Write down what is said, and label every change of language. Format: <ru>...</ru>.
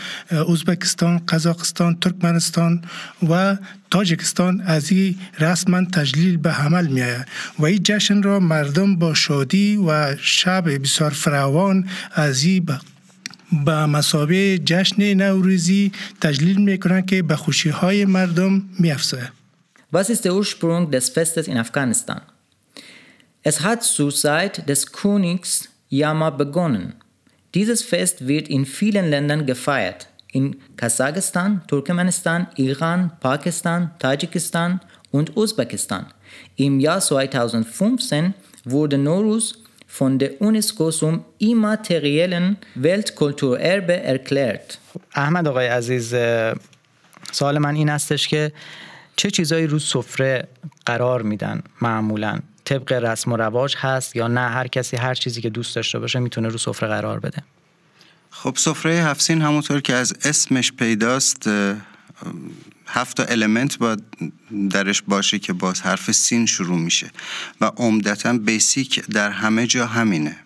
<fa>ازبکستان، قزاقستان، ترکمنستان و تاجکستان از این رسما تجلیل به عمل می آید و این جشن را مردم با شادی و شب بسیار فراوان از این به مسابه جشن نوروزی تجلیل می کنند که به خوشی های مردم می افزاید.</fa> <de>Was ist der Ursprung des Festes in Afghanistan? Es hat zur Zeit des Königs Yama begonnen. Dieses Fest wird in vielen Ländern gefeiert, in Kasachstan, Turkmenistan, Iran, Pakistan, Tadschikistan und Usbekistan. Im Jahr 2015 wurde Nowruz von der UNESCO zum immateriellen Weltkulturerbe erklärt.</de> <fa>احمد آقای عزیز، سوال من این استش که چه چیزایی رو سفره قرار میدن معمولاً؟ طبق رسم و رواج هست یا نه هر کسی هر چیزی که دوست داشته باشه میتونه رو سفره قرار بده؟ خب سفره هفت سین همونطور که از اسمش پیداست هفت تا المنت با درش باشه که باز حرف سین شروع میشه و عمدتا بیسیک در همه جا همینه.</fa>